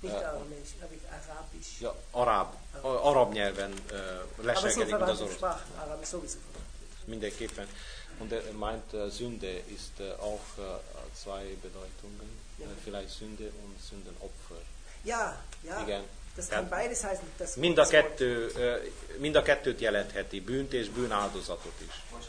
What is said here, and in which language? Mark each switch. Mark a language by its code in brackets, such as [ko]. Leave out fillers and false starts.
[hu] Ja, arab, arab nyelven leselkedik, mint az orosz. Mindenképpen. [de] Und er meint, Sünde ist auch zwei Bedeutungen. Ja. Vielleicht Sünde und Sündenopfer. Ja, ja. [hu] Igen. [de] Das kann beides heißen. Das [hu] mind, a kettő, mind a kettőt jelentheti, bűnt és bűnáldozatot is.